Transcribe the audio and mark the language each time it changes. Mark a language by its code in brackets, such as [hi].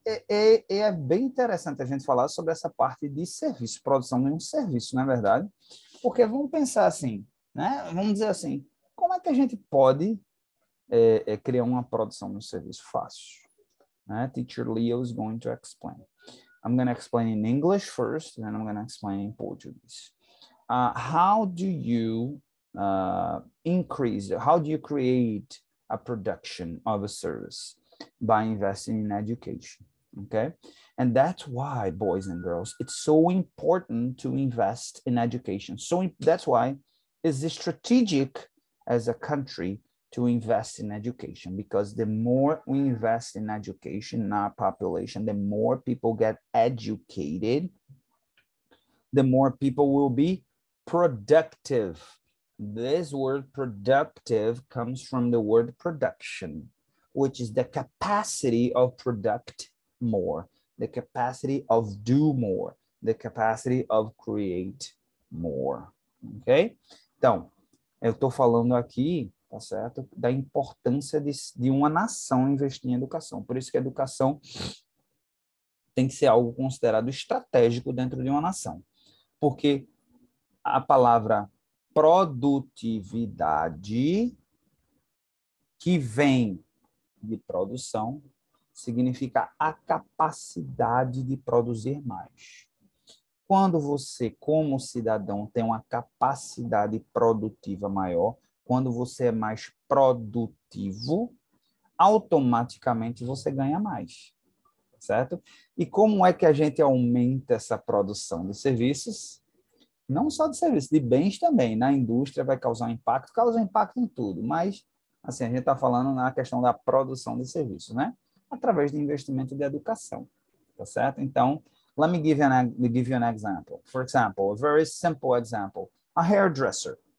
[pt] É bem interessante a gente falar sobre essa parte de serviço, produção de um serviço, não é verdade? Porque vamos pensar assim, né? Vamos dizer assim, como é que a gente pode criar uma produção de um serviço fácil? Né? [en] Teacher Leo is going to explain. I'm going to explain in English first, then I'm going to explain in Portuguese. How do you increase, how do you create a production of a service? By investing in education, okay? And that's why, boys and girls, it's so important to invest in education. So that's why it's strategic as a country to invest in education, because the more we invest in education in our population, the more people get educated, the more people will be productive. This word productive comes from the word production, which is the capacity of product more, the capacity of do more, the capacity of create more, ok? [pt] Então, eu estou falando aqui tá certo? Da importância de uma nação investir em educação. Por isso que a educação tem que ser algo considerado estratégico dentro de uma nação. Porque a palavra produtividade, que vem de produção, significa a capacidade de produzir mais. Quando você, como cidadão, tem uma capacidade produtiva maior, quando você é mais produtivo, automaticamente você ganha mais. Certo? E como é que a gente aumenta essa produção de serviços? Não só de serviços, de bens também. Na indústria vai causar um impacto, causa impacto em tudo, mas assim, a gente está falando na questão da produção de serviços, né? Através de investimento de educação. Tá certo? [en] Então, let me give you an example. For example, a very simple example. A hairdresser.